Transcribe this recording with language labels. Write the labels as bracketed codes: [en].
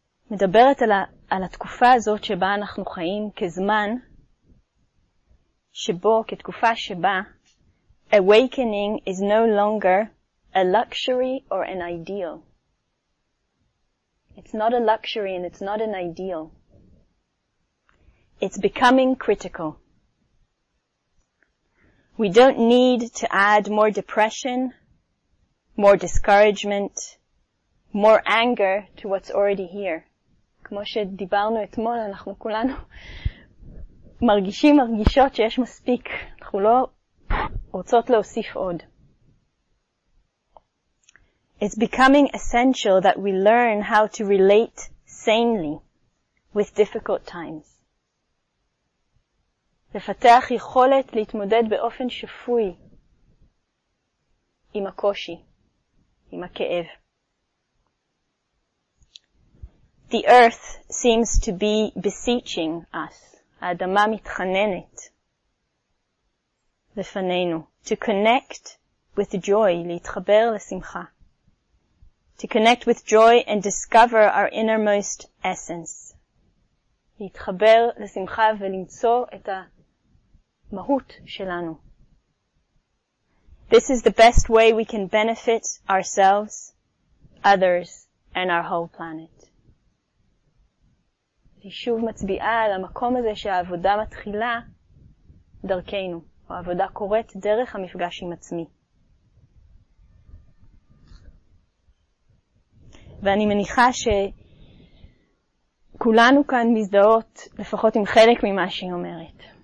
[he] מדברת על התקופה הזאת שבה אנחנו חיים כזמן שבו, כתקופה שבה [en] awakening is no longer a luxury or an ideal. It's not a luxury and it's not an ideal. It's becoming critical. We don't need to add more depression, more discouragement, more anger to what's already here. [he] כמו שדיברנו אתמול, אנחנו כולנו מרגישים, מרגישות שיש מספיק. אנחנו לא רוצות להוסיף עוד. [en] It's becoming essential that we learn how to relate sanely with difficult times. [he] לפתח יכולת להתמודד באופן שפוי עם הקושי, עם הכאב. [en] The earth seems to be beseeching us, [he] האדמה מתחננת לפנינו, [en] to connect with joy, [he] להתחבר לשמחה, [en] to connect with joy and discover our innermost essence, [he] להתחבר לשמחה ולמצוא את המהות שלנו. [en] This is the best way we can benefit ourselves, others, and our whole planet. [he] היא שוב מצביעה על המקום הזה שהעבודה מתחילה דרכנו, או העבודה קורית דרך המפגש עם עצמי. ואני מניחה שכולנו כאן מזדהות לפחות עם חלק ממה שהיא אומרת.